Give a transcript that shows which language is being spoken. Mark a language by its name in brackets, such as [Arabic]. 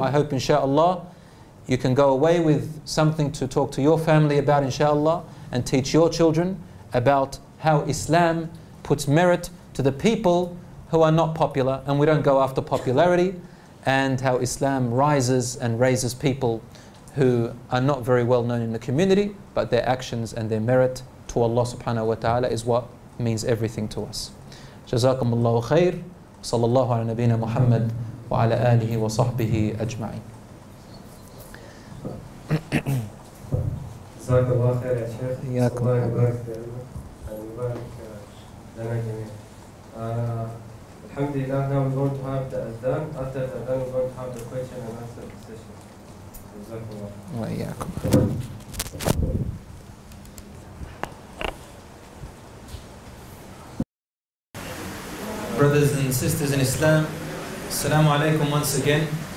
[English] I hope inshallah you can go away with something to talk to your family about inshallah and teach your children about how Islam puts merit to the people who are not popular and we don't go after popularity, and how Islam rises and raises people who are not very well known in the community, but their actions and their merit to Allah subhanahu wa ta'ala is what means everything to us. [Arabic] جزاكم الله خير صلى الله على نبينا محمد وعلى آله وصحبه أجمعين. جزاك الله خير يا شيخ. حياك الله. يبارك فيك ويبارك لنا جميعا. الحمد لله. [English] Now we're going to have the adhan. After the adhan, we're going to have the question and answer session. [Arabic] جزاك الله. وإياكم. [English] Brothers and sisters in Islam, Assalamu alaikum once again.